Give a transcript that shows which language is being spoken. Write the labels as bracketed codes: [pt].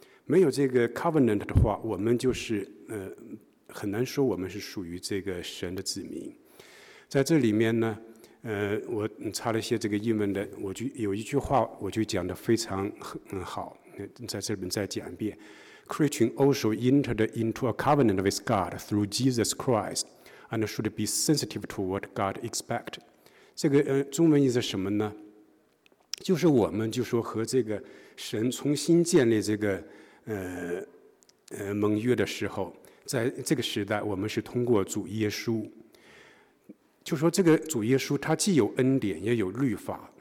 [zh] 没有这个 covenant 的话，我们就是很难说我们是属于这个神的子民。在这里面呢，我查了一些这个英文的，我就有一句话我就讲得非常好，在这里面再讲一遍。 [en] Christian also entered into a covenant with God through Jesus Christ and should be sensitive to what God expects. [zh] 这个中文意思是什么呢？就是我们就说和这个神重新建立这个盟约的时候，在这个时代我们是通过主耶稣，就说这个主耶稣他既有恩典也有律法。